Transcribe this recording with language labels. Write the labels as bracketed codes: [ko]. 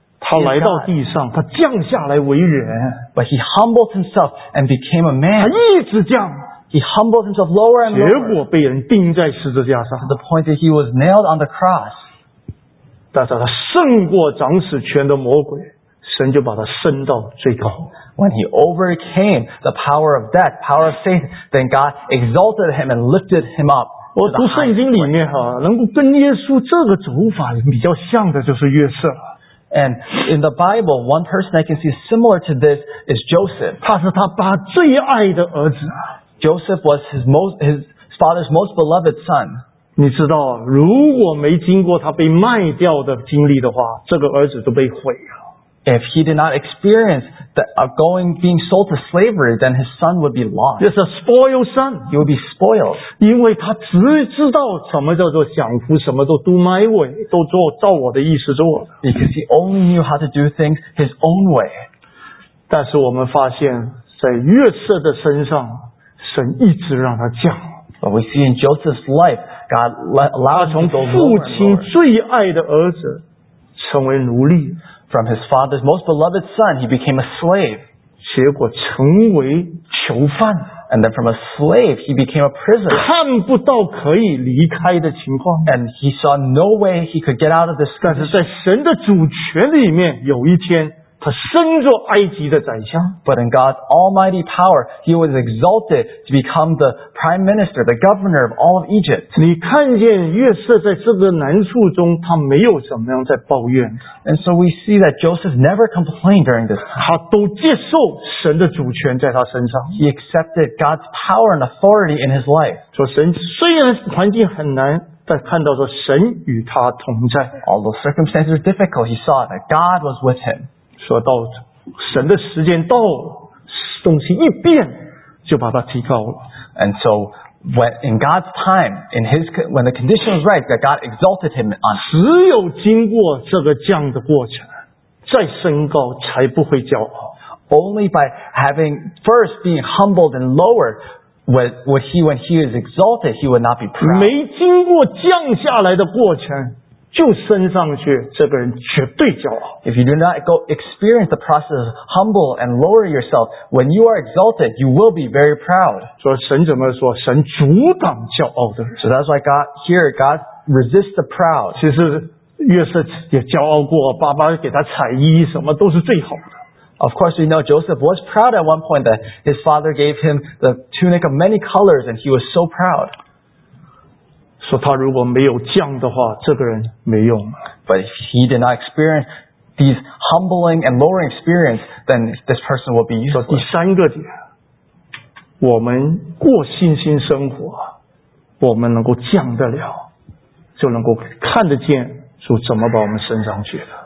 [zh] 他来到地上他降下来为人。 [en] But he humbled himself and became a man. [zh] 他一直降。 [en] He humbled himself lower and lower. [zh] 结果被人钉在十字架上。 [en] To the point that he was nailed on the cross. [zh] 但是他胜过掌死权的魔鬼。神就把他升到最高。 [en] When he overcame the power of death, power of Satan, then God exalted him and lifted him up. [zh] 我读圣经里面哈，能够跟耶稣这个走法比较像的就是约瑟。 [en] And in the Bible, one person I can see similar to this is Joseph. [zh] 他是他爸最爱的儿子。 [en] Joseph was his father's most beloved son. [zh] 你知道，如果没经过他被卖掉的经历的话，这个儿子都被毁了。 [en] If he did not experience being sold to slavery, then his son would be lost. It's a spoiled son. He would be spoiled. [zh] 因为他只知道什么叫做享福，什么都 [en] do my way, [zh] 都做照我的意思做。 [en] Because he only knew how to do things his own way. [zh] 但是我们发现在约瑟的身上，神一直让他降。 [en] But we see in Joseph's life, God allowed him to go lower and lower. [zh] 他从父亲最爱的儿子成为奴隶。 [en] From his father's most beloved son, he became a slave. [zh] 结果成为囚犯。 [en] And then from a slave, he became a prisoner. [zh] 看不到可以离开的情况。 [en] And he saw no way he could get out of this condition. [zh] 但是在神的主权里面，有一天，他升作埃及的宰相。 [en] But in God's almighty power, he was exalted to become the prime minister, the governor of all of Egypt. [zh] 你看见约瑟在这个难处中，他没有怎么样在抱怨。 [en] And so we see that Joseph never complained during this time. [zh] 他都接受神的主权在他身上。 [en] He accepted God's power and authority in his life. [zh] 说神虽然环境很难，但看到说神与他同在。 [en] Although circumstances were difficult, he saw that God was with him. [zh] 说到神的时间到了，东西一变就把它提高了。 [en] And so when in God's time, in His when the condition was right, that God exalted him on. [zh] 只有经过这个降的过程，再升高才不会骄傲。 [en] Only by having first being humbled and lowered, would he when he is exalted, he would not be proud. [zh] 没经过降下来的过程。就升上去，这个人绝对骄傲。 [en] If you do not go experience the process of humble and lower yourself, when you are exalted, you will be very proud. [zh] 说神怎么说？神阻挡骄傲的。 [en] So that's why God here, God resists the proud. [zh] 其实约瑟也骄傲过，爸爸给他彩衣，什么都是最好的。 [en] Of course, we know Joseph was proud at one point that his father gave him the tunic of many colors, and he was so proud. [zh] 说他如果没有降的话，这个人没用。 [en] But if he did not experience these humbling and lowering experience, then this person will be useless. [zh] 说第三个点，我们过信心生活，我们能够降得了，就能够看得见主怎么把我们升上去的。